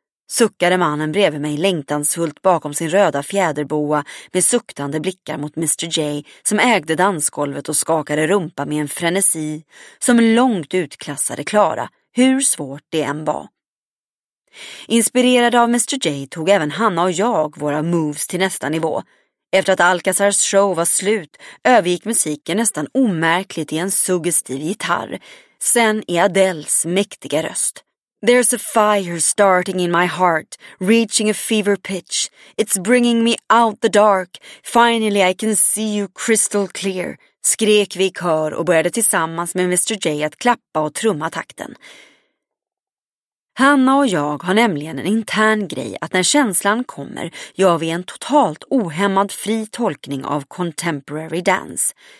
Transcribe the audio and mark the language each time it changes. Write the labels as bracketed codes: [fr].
[sv] Suckade mannen bredvid mig längtansfullt bakom sin röda fjäderboa med suktande blickar mot Mr. J som ägde dansgolvet och skakade rumpa med en frenesi som långt utklassade Klara, hur svårt det än var. Inspirerade av Mr. J tog även Hanna och jag våra moves till nästa nivå. Efter att Alcazars show var slut övergick musiken nästan omärkligt i en suggestiv gitarr, sen i Adels mäktiga röst. [en] There's a fire starting in my heart, reaching a fever pitch. It's bringing me out the dark. Finally I can see you crystal clear, [sv] skrek vi i kör och började tillsammans med Mr. J att klappa och trumma takten. Hanna och jag har nämligen en intern grej att när känslan kommer gör vi en totalt ohämmad fri tolkning av contemporary dance.